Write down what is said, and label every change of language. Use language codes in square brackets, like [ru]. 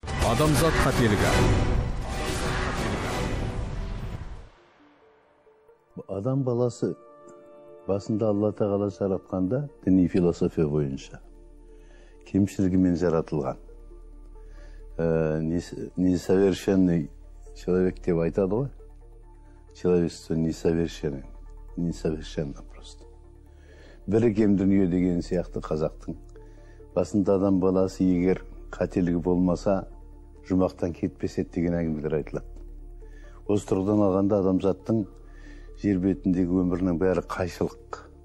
[kk] Адамзат қателігі. Адам баласы басында Алла Тағала жаратқанда діни философия бойынша кемшілігімен жаратылған. [ru] Несовершенный человек [kk] деп айтады ғой. [ru] Человечество несовершенное. Несовершенно просто. [kk] Бірігем дүние деген сияқты қазақтың. Басында адам баласы егер қателігі болмаса, жұмақтан кетпесет деген әңгімелер айтылады. Осы тұрғыдан алғанда адамзаттың жер бетіндегі өмірінің бәрі қайшылық.